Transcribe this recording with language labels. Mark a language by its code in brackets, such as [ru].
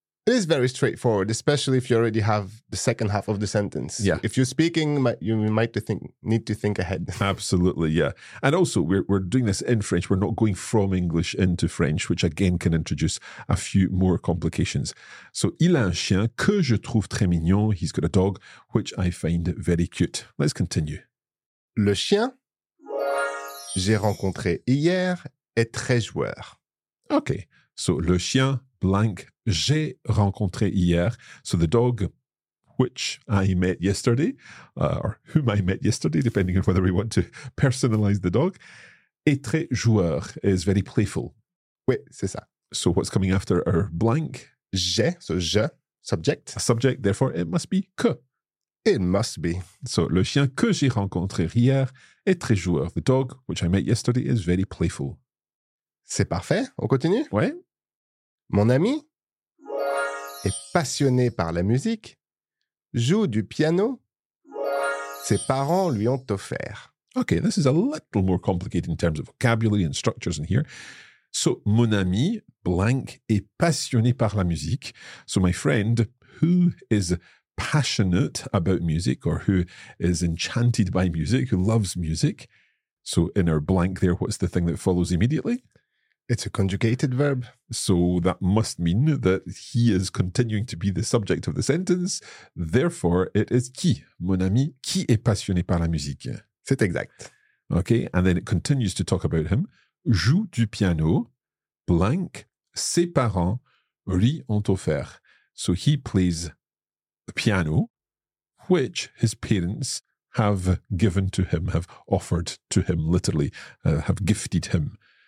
[en] It is very straightforward, especially if you already have the second half of the sentence. Yeah. If you're speaking, you might need to think ahead. Absolutely, yeah. And also, we're doing this in French. We're not going from English into French, which again can introduce a few more complications. [fr] So, il a un chien que je trouve très mignon. [en] He's got a dog, which I find very cute. Let's continue. [fr] Le chien j'ai rencontré hier est très joueur. Okay. So, le chien blank. J'ai rencontré hier. [en] So the dog, which I met yesterday, or whom I met yesterday, depending on whether we want to personalize the dog, [fr] est très joueur, [en] is very playful. [fr] Oui, c'est ça. [en] So what's coming after our blank? J'ai, so je, subject. A subject, therefore it must be que. It must be. [fr] So le chien que j'ai rencontré hier est très joueur. [en] The dog, which I met yesterday, is very playful. [fr] C'est parfait, on continue? Oui. Mon ami est passionné par la musique, joue du piano, ses parents lui ont offert. [en] Okay, this is a little more complicated in terms of vocabulary and structures in here. [fr] So, mon ami, blank, est passionné par la musique. [en] So, my friend, who is passionate about music or who is enchanted by music, who loves music. So, in our blank there, what's the thing that follows immediately? It's a conjugated verb. So that must mean that he is continuing to be the subject of the sentence. Therefore, it is qui, mon ami, [fr] qui est passionné par la musique? C'est exact. [en] Okay, and then it continues to talk about him. [fr] Joue du piano, [en] blank, [fr] ses parents lui ont offert. [en] So he plays the piano, which his parents have given to him, have offered to him, literally, have gifted him.